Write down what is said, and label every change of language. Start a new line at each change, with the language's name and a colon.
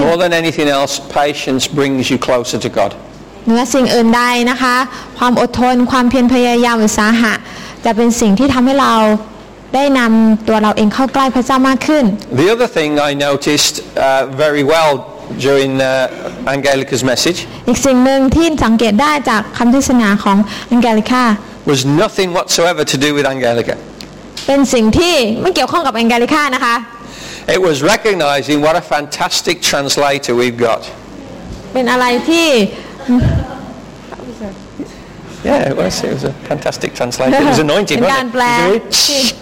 English: Because more than anything else patience brings you closer to God
Thai: เนื้อสิ่งอื่นใดนะคะความอดทนความเพียรพยายามอุตสาหะจะเป็นสิ่งที่ทำให้เราได้นำตัวเราเองเข้าใกล้พระเจ้ามากขึ้น
English: The other thing I noticed very well during Angelica's message.
Thai: อีกสิ่งหนึ่งที่สังเกตได้จากคำเทศนาของ Angelica
English: was nothing whatsoever to do with Angelica.
Thai: เป็นสิ่งที่ไม่เกี่ยวข้องกับ Angelica นะคะ
English: It was recognizing what a fantastic translator we've got.
Thai: เป็นอะไรที่
English: Yeah, it was a fantastic translation. It was anointing, wasn't it?